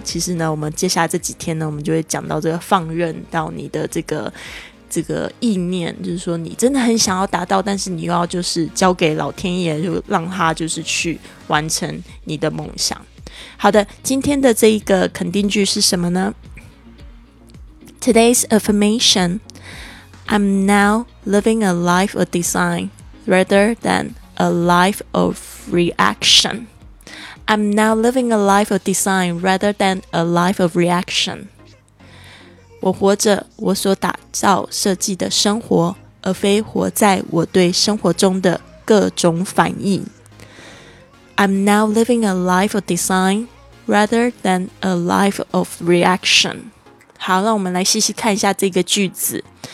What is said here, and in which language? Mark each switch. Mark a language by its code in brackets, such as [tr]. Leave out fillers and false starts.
[zh] 其实呢，我们接下来这几天呢，我们就会讲到这个放任到你的这个意念，就是说你真的很想要达到，但是你又要就是交给老天爷，就让他就是去完成你的梦想。好的，今天的这一个肯定句是什么呢？ [en] Today's affirmation: I'm now living a life of design rather than a life of reaction. I'm now living a life of design rather than a life of reaction. [zh] 我活着我所打造设计的生活，而非活在我对生活中的各种反应。 [en] I'm now living a life of design rather than a life of reaction. [zh] 好，让我们来细细看一下这个句子。